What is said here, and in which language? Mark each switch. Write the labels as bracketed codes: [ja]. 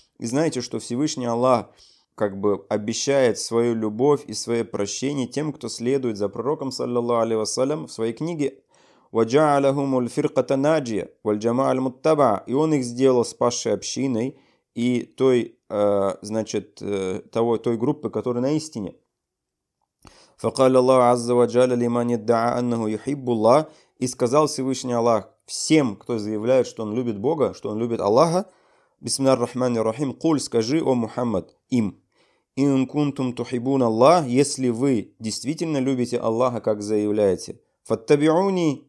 [ru] И знаете, что Всевышний Аллах как бы обещает свою любовь и свое прощение тем, кто следует за пророком, саллаллаху алейхи вассалям, в своей книге. [ar] وَجَعَلَهُمُ الْفِرْقَةَ نَاجِيَ وَالْجَمَعَ الْمُتَّبَعَ. [ru] И он их сделал спасшей общиной и той, значит, той группы, которая на истине. [ar] فقال الله عز وجل لمن ادعى انه يحب الله. [ru] И сказал Всевышний Аллах всем, кто заявляет, что он любит Бога, что он любит Аллаха. [ar] بسم الله الرحمن الرحيم. قل [ru] скажи, о Мухаммад, им. [ar] إن كنتم تحبون الله. [ru] Если вы действительно любите Аллаха, как заявляете. [ar] فاتبعوني.